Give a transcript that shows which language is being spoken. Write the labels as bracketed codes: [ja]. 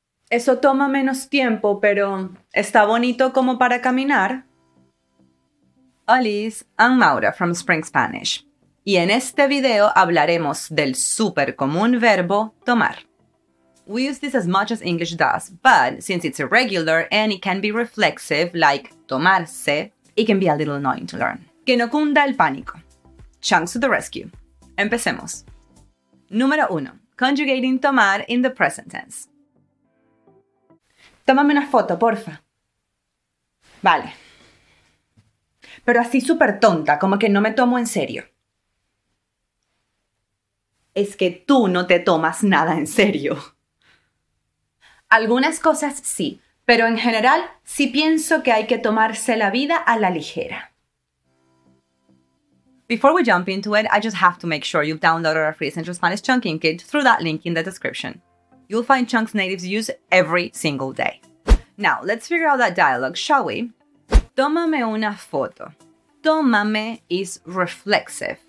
[es] Eso toma menos tiempo, pero ¿está bonito como para caminar? [en] Alice, I'm Maura from Spring Spanish. [es] Y en este video hablaremos del súper común verbo tomar. [en] We use this as much as English does, but since it's irregular and it can be reflexive, like tomarse, it can be a little annoying to learn. [es] Que no cunda el pánico. [en] Chunks to the rescue. [es] Empecemos. Número 1. [en] Conjugating tomar in the present tense. [es] Tómame una foto, porfa. Vale. Pero así súper tonta, como que no me tomo en serio. Es que tú no te tomas nada en serio. Algunas cosas sí, pero en general sí pienso que hay que tomarse la vida a la ligera. [en] Before we jump into it, I just have to make sure you've downloaded our free Central Spanish Chunking Kit through that link in the description. You'll find chunks natives use every single day. Now, let's figure out that dialogue, shall we? [es] Tómame una foto. Tómame [en] is reflexive.